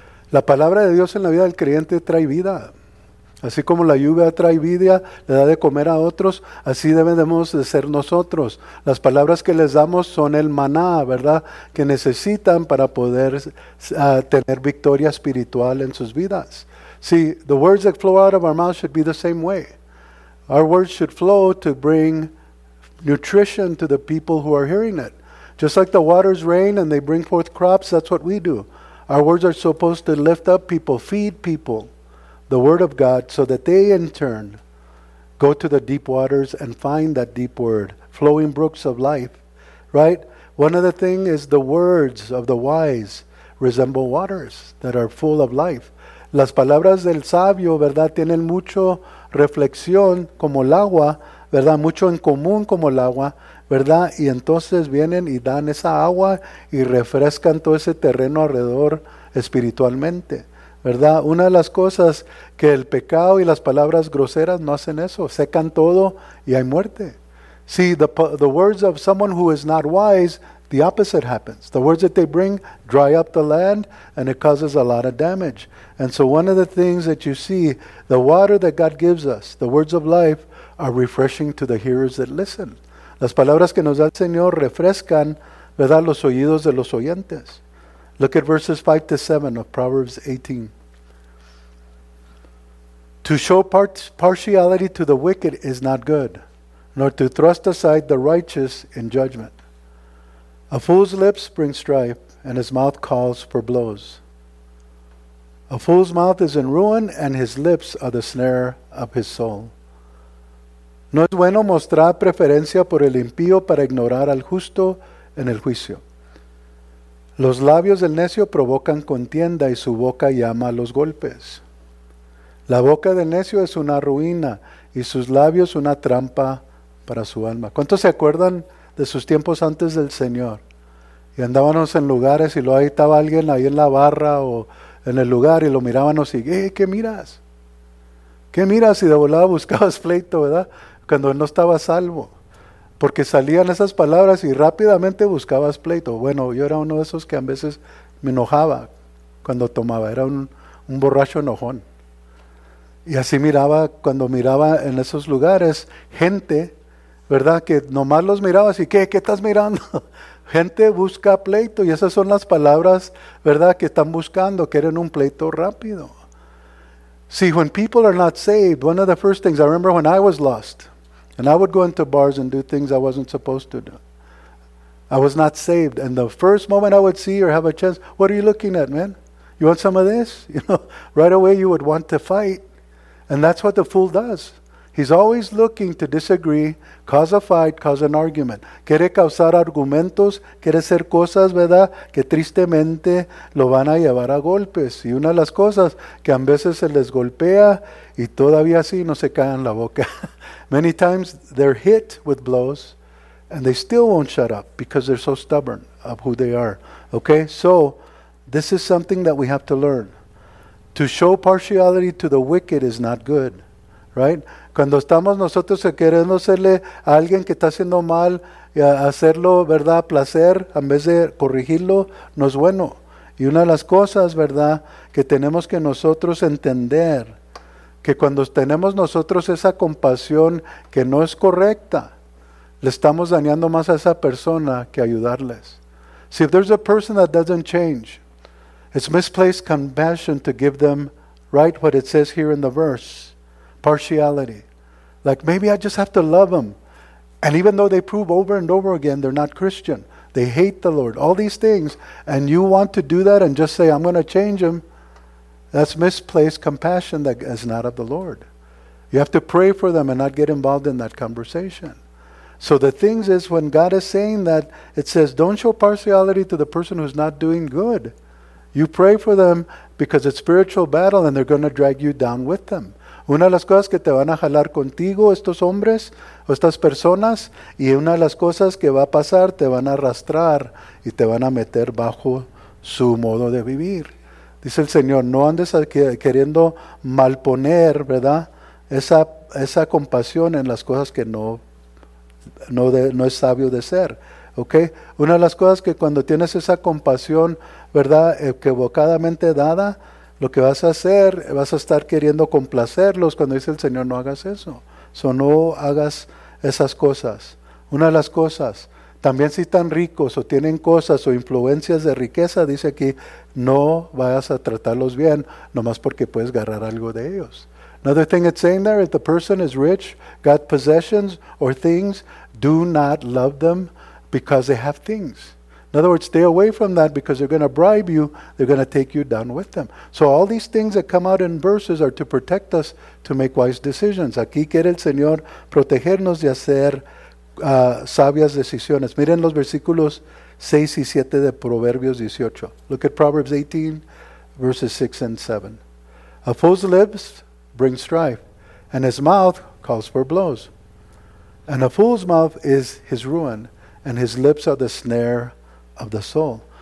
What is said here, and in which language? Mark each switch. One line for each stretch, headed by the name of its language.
Spanish: La palabra de Dios en la vida del creyente trae vida. Así como la lluvia trae vida, le da de comer a otros, así debemos de ser nosotros. Las palabras que les damos son el maná, ¿verdad?, que necesitan para poder tener victoria espiritual en sus vidas.
English: See, the words that flow out of our mouth should be the same way. Our words should flow to bring nutrition to the people who are hearing it. Just like the waters rain and they bring forth crops, that's what we do. Our words are supposed to lift up people, feed people the word of God, so that they in turn go to the deep waters and find that deep word, flowing brooks of life, right? One other thing is the words of the wise resemble waters that are full of life.
Spanish: Las palabras del sabio, ¿verdad?, tienen mucho reflexión como el agua, ¿verdad?, mucho en común como el agua, ¿verdad?, y entonces vienen y dan esa agua y refrescan todo ese terreno alrededor espiritualmente, ¿verdad? Una de las cosas que el pecado y las palabras groseras no hacen eso, secan todo y hay muerte.
English: See, the words of someone who is not wise, the opposite happens. The words that they bring dry up the land and it causes a lot of damage. And so one of the things that you see, the water that God gives us, the words of life, are refreshing to the hearers that listen.
Spanish: Las palabras que nos da el Señor refrescan, ¿verdad?, los oídos de los oyentes.
English: Look at verses 5 to 7 of Proverbs 18. To show partiality to the wicked is not good, nor to thrust aside the righteous in judgment. A fool's lips bring strife, and his mouth calls for blows. A fool's mouth is in ruin, and his lips are the snare of his soul.
Spanish: No es bueno mostrar preferencia por el impío para ignorar al justo en el juicio. Los labios del necio provocan contienda y su boca llama a los golpes. La boca del necio es una ruina y sus labios una trampa para su alma. ¿Cuántos se acuerdan de sus tiempos antes del Señor? Y andábamos en lugares y luego ahí estaba alguien ahí en la barra o en el lugar y lo mirábamos y, ¡eh, qué miras! ¿Qué miras? Y de volada buscabas pleito, ¿verdad? Cuando él no estaba salvo. Porque salían esas palabras y rápidamente buscabas pleito. Bueno, yo era uno de esos que a veces me enojaba cuando tomaba. Era un borracho enojón. Y así miraba, cuando miraba en esos lugares, gente, ¿verdad?, que nomás los miraba así, ¿qué estás mirando? Gente busca pleito y esas son las palabras, ¿verdad?, que están buscando, quieren un pleito rápido.
English: See, when people are not saved, one of the first things, I remember when I was lost, and I would go into bars and do things I wasn't supposed to do. I was not saved. And the first moment I would see or have a chance, what are you looking at, man? You want some of this? You know, right away you would want to fight. And that's what the fool does. He's always looking to disagree, cause a fight, cause an argument.
Spanish: Quiere causar argumentos, quiere hacer cosas, ¿verdad?, que tristemente lo van a llevar a golpes. Y una de las cosas que a veces se les golpea y todavía así no se caen la boca.
English: Many times they're hit with blows and they still won't shut up because they're so stubborn of who they are. Okay, so this is something that we have to learn. To show partiality to the wicked is not good, right?
Spanish: Cuando estamos nosotros queriendo hacerle a alguien que está haciendo mal, hacerlo, ¿verdad?, placer, en vez de corregirlo, no es bueno. Y una de las cosas, ¿verdad?, que tenemos que nosotros entender, que cuando tenemos nosotros esa compasión que no es correcta, le estamos dañando más a esa persona que ayudarles.
English: See, if there's a person that doesn't change, It's misplaced compassion to give them right what it says here in the verse, partiality. Like, maybe I just have to love them. And even though they prove over and over again they're not Christian, they hate the Lord, all these things, and you want to do that and just say, I'm going to change them, that's misplaced compassion that is not of the Lord. You have to pray for them and not get involved in that conversation. So the thing is, when God is saying that, it says, don't show partiality to the person who's not doing good. You pray for them because it's a spiritual battle and they're going to drag you down with them.
Spanish: Una de las cosas que te van a jalar contigo estos hombres o estas personas, y una de las cosas que va a pasar, te van a arrastrar y te van a meter bajo su modo de vivir. Dice el Señor, no andes queriendo malponer, ¿verdad?, esa compasión en las cosas que no es sabio de ser. Okay. Una de las cosas que cuando tienes esa compasión, ¿verdad?, equivocadamente dada, lo que vas a hacer, vas a estar queriendo complacerlos cuando dice el Señor, no hagas eso. So, no hagas esas cosas. Una de las cosas, también si están ricos o tienen cosas o influencias de riqueza, dice aquí, no vayas a tratarlos bien, nomás porque puedes agarrar algo de ellos.
English: Another thing it's saying there, if the person is rich, got possessions or things, do not love them because they have things. In other words, stay away from that because they're going to bribe you, they're going to take you down with them. So all these things that come out in verses are to protect us to make wise decisions.
Spanish: Aquí quiere el Señor protegernos de hacer sabias decisiones. Miren los versículos 6 y 7 de Proverbios 18.
English: Look at Proverbs 18, verses 6 and 7. A fool's lips bring strife, and his mouth calls for blows. And a fool's mouth is his ruin, and his lips are the snare of the soul.